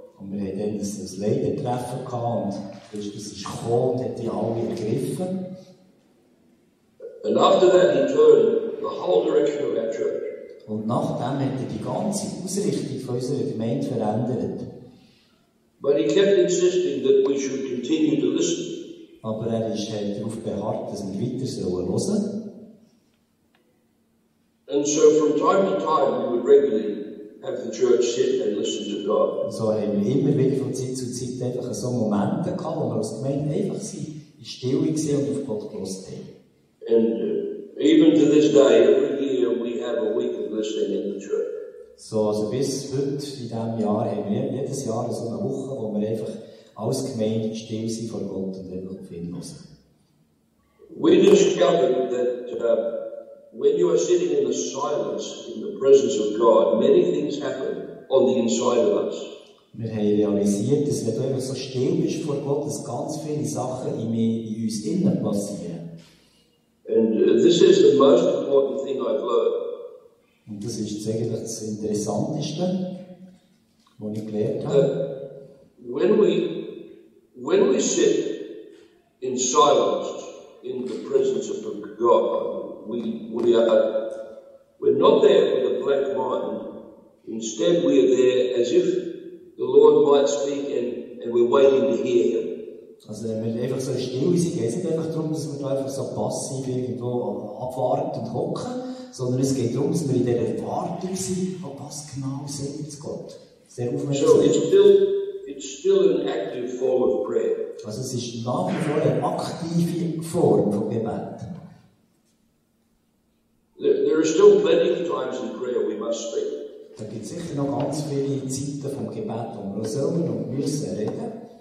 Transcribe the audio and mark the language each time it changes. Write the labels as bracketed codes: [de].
[de] Und wir haben dann das Leidentreffen gehabt, und Christus ist gekommen und hat die alle ergriffen. [en] And after that he turned the whole direction of our church. [de] Und nachdem hat er die ganze Ausrichtung von unserer Gemeinde verändert. [en] But he kept insisting that we should continue to listen. [de] Aber er ist halt darauf beharrt, dass wir weiter sollen hören. [en] And so from time to time we would regularly have the church sit and listen to God. [de] So haben wir immer wieder von Zeit zu Zeit einfach so Momente gehabt, wo wir als Gemeinde einfach in Stille waren und auf Gott gehört haben. [en] And even to this day, every year we have a week of listening in the church. [de] So, also bis heute in diesem Jahr haben wir jedes Jahr so eine Woche, wo wir einfach als Gemeinde still sind vor Gott und einfach auf ihn hören. [en] We discovered that when you are sitting in the silence in the presence of God, many things happen on the inside of us. [de] Wir haben realisiert, dass wenn du einfach so still bist vor Gott, dass ganz viele Sachen in uns innen passieren. [en] And this is the most important thing I've learned. [de] Und das ist eigentlich das Interessanteste, was ich gelernt habe. [en] When we sit in silence in the presence of God, we're not there with a black mind. Instead, we are there as if the Lord might speak, and we're waiting to hear Him. [de] Also wenn wir einfach so still sind, geht es nicht einfach darum, dass wir da einfach so passiv irgendwo abwarten und hocken, sondern es geht darum, dass wir in dieser Erwartung sind, oh, was genau sagt jetzt Gott. Sehr aufmerksam. [en] So, it's still an active form of prayer. [de] Also es ist nach wie vor eine aktive Form von Gebet. [en] There are still plenty of times in prayer we must speak. [de] Da gibt es sicher noch ganz viele Zeiten vom Gebet, wo wir auch selber noch müssen reden.